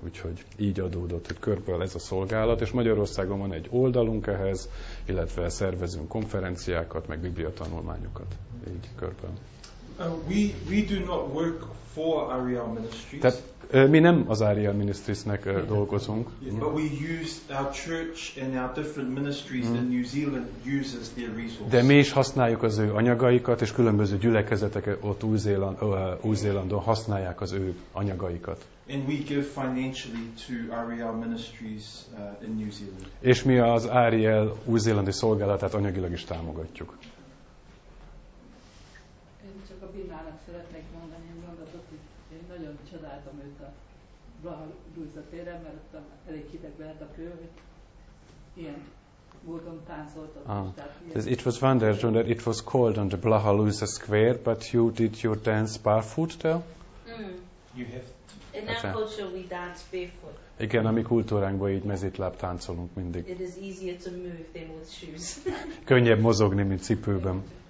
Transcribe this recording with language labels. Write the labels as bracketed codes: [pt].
[hu] Úgyhogy így adódott, hogy körből ez a szolgálat. És Magyarországon van egy oldalunk ehhez, illetve szervezünk konferenciákat, meg bibliatanulmányokat. Így körből. [en] We do not work for Ariel Ministries. [hu] Tehát mi nem az Ariel Ministriesnek dolgozunk. [en] Yeah, but we use our church and our different ministries in New Zealand uses their resources. [hu] De mi is használjuk az ő anyagaikat, és különböző gyülekezetek ott Új-Zélandon használják az ő anyagaikat. [en] And we give financially to Ariel Ministries in New Zealand. [hu] És mi az Ariel új-zélandi szolgálatát anyagilag is támogatjuk. Én csak a Bimának szeretnék mondani, hogy én nagyon csodáltam őt a Blaha Lujza téren, mert ott elég hideg lehet a kő, hogy ilyen módon táncoltak. [en] It was wondered that it was cold on the Blaha Lujza Square, but you did your dance barefoot there? You have to. In our culture, we dance barefoot. [hu] Igen, a mi kultúránkban így mezítláb táncolunk mindig. [en] It is easier to move than with shoes. [hu] Könnyebb mozogni, mint cipőben.